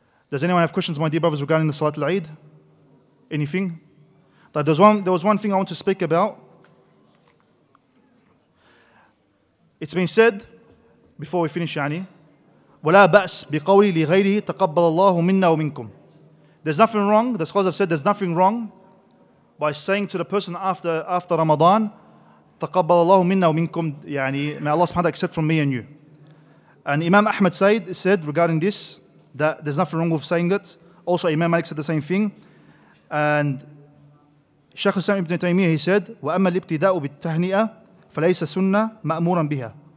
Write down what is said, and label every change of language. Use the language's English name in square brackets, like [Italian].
[English] Does anyone have questions, my dear brothers, regarding the Salatul Eid? Anything? There was one thing I want to speak about. It's been said, before we finish, [Arabic] وَلَا بَأْسْ بِقَوْلِ لِغَيْرِهِ تَقَبَّلَ اللَّهُ مِنَّا وَمِنْكُمْ. [English] There's nothing wrong, the scholars have said, there's nothing wrong by saying to the person after Ramadan, [Arabic] تَقَبَّلَ اللَّهُ مِنَّا وَمِنْكُمْ, [English] may Allah subhanahu accept from me and you. And Imam Ahmad said regarding this, that there's nothing wrong with saying it. Also, Imam Malik said the same thing. And Shaykh Islam ibn Taymiyyah, he said, [Arabic] وَأَمَّا الْإِبْتِدَاءُ بِالتَّهْنِئَةِ فَلَيْسَ سُنَّةً مَأْمُورًا بِهَا.